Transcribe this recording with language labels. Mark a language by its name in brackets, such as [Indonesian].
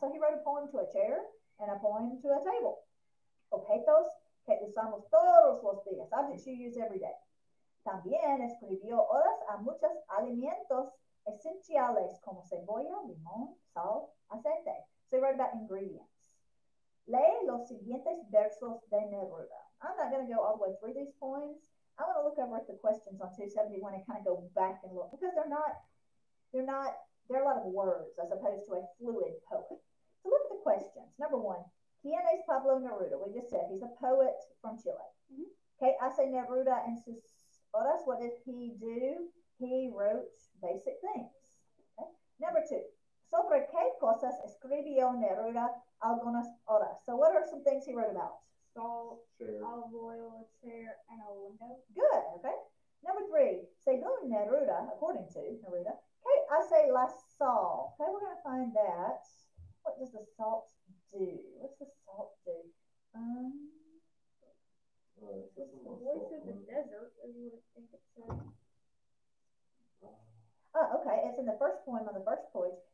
[English] So he wrote a poem to a chair and a poem to a table. [Spanish] Objetos que usamos todos los días, [English] objects you use every day. [Spanish] También escribió horas a muchos alimentos esenciales como cebolla, limón, sal, aceite. [English] So he wrote about ingredients. [Spanish] Lee los siguientes versos de Neruda. [English] I'm not going to go all the way through these poems. I want to look over at the questions on 271 and kind of go back and look, because they're a lot of words as opposed to a fluid poet. So look at the questions. Number one, [Spanish] ¿quién es Pablo Neruda? [English] We just said he's a poet from Chile. [Spanish] ¿Qué hace Neruda en sus horas? [English] What did he do? He wrote basic things. Okay. Number two, [Spanish] ¿sobre qué cosas escribió Neruda algunas horas? [English] So what are some things he wrote about? Salt, Olive oil, a chair, and a window. [Spanish] Good, okay. [English] Number three, [Spanish] según Neruda, [English] according to Neruda, [Spanish] ¿qué hace la sal? [English] Okay, we're going to find that. What does the salt do? What's the salt do? The voice of the desert is what it says. Okay, it's in the first poem on the first page.